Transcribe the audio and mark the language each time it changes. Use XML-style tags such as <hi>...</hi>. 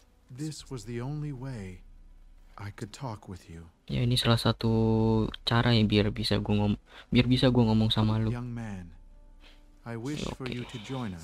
<en>This was the only way I could talk with you.</en> <id>Ya ini salah satu cara ya biar bisa gua ngomong sama lu.</id> <en>Young man, I wish for you to join us.</en>